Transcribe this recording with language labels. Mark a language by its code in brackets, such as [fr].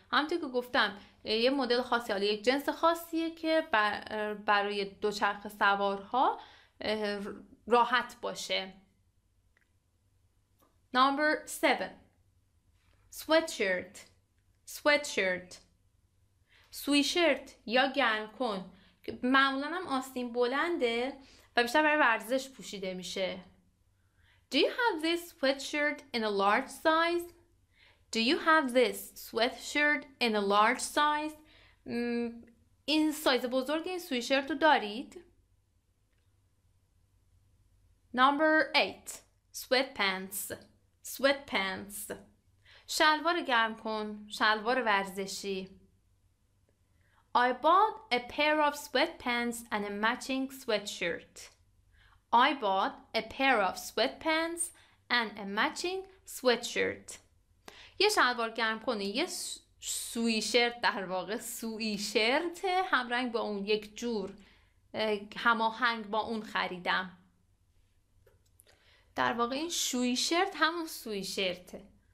[fa] همونطور که گفتم یه مدل خاصی، حالا یک جنس خاصیه که برای دوچرخه سوارها راحت باشه. [en] Number 7. Sweatshirt. Sweatshirt. [fa] Sweatshirt یا گرم کن که معمولا هم آستین بلنده و بیشتر برای ورزش پوشیده میشه. [en] Do you have this sweatshirt in a large size? Do you have this sweatshirt in a large size? [fa] این سایز بزرگ این سویشرت رو دارید؟ [en] Number 8. Sweatpants. Sweatpants. [fa] شلوار گرم کن. شلوار ورزشی. [en] I bought a pair of sweatpants and a matching sweatshirt. I bought a pair of sweatpants and a matching sweatshirt. [fa] یه شلوار گرم کنی، یه سویشرت در واقع سویشرت هم رنگ با اون، یک جور هماهنگ با اون خریدم. در واقع این سویشرت همون سویشرته.